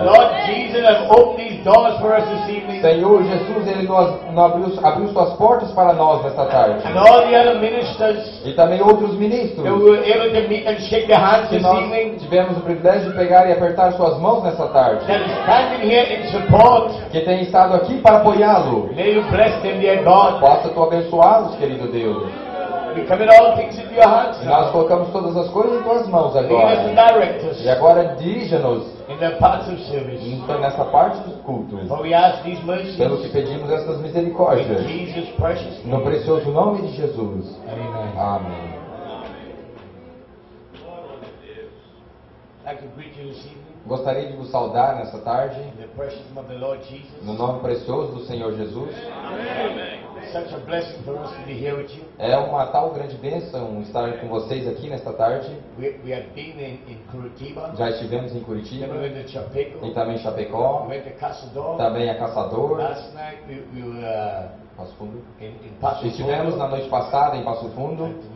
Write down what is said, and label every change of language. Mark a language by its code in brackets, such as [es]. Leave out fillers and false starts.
[en] Lord Jesus, open these doors for us this evening. [pt] Senhor Jesus, ele abriu suas portas para nós nesta tarde. [en] And all the other ministers. [pt] E também outros ministros. [en] That we were able to meet and shake their hands this evening. [pt] Tivemos o privilégio de pegar e apertar suas mãos nesta tarde. [en] That is standing here in support. [pt] Que tem estado aqui para apoiá-lo. [en] May you bless them, dear God. [pt] Possa tu abençoá-los, querido Deus. [en] We commit all things into your hands. [pt] E nós colocamos todas as coisas em tuas mãos agora. [en] Lead us and direct us. [pt] E agora dirija-nos. [en] In the parts of service. [pt] Então, nessa parte dos cultos. [en] For we ask these mercies. [pt] Pelo que pedimos essas misericórdias. [en] In Jesus' precious name. [pt] No precioso nome de Jesus. Amém. Amém. Amém. Glória a Deus. [en] I can greet you this evening. [pt] Gostaria de vos saudar nessa tarde. [en] In the precious name of the Lord Jesus. [pt] No nome precioso do Senhor Jesus. Amém. [en] Such a blessing for us to be here with you. [pt] É uma tal grande bênção estar com vocês aqui nesta tarde. [en] We have been in Curitiba. [pt] Já estivemos em Curitiba. [en] We went to Chapeco. [pt] E também em Chapecó. [en] We went to Caçador. [pt] Também a Caçador. [en] Last night we were [pt] Passo Fundo. Estivemos na noite passada em Passo Fundo.